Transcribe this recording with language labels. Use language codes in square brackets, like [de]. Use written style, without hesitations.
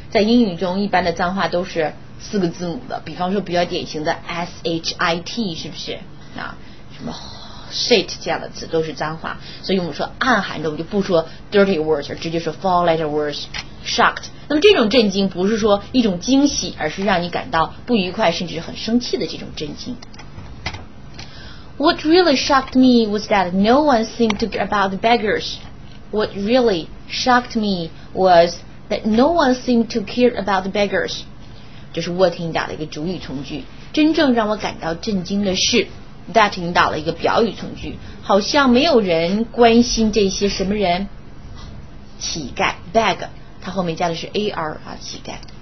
[zh] 在英语中，一般的脏话都是四个字母的，比方说比较典型的 shit， 是不是啊？什么 shit 这样的词都是脏话，所以我们说暗含着，我们就不说 dirty words， 而直接说 fallout words shocked。那么这种震惊不是说一种惊喜，而是让你感到不愉快甚至很生气的这种震惊。 [en] What really shocked me was that no one seemed to care about the beggars. What really shocked me was that no one seemed to care about the beggars. [zh] 这是 what 引导的一个主语从句。真正让我感到震惊的是 that 引导了一个表语从句，好像没有人关心这些什么人，乞丐 beg，他后面加的是 AR 啊，乞丐。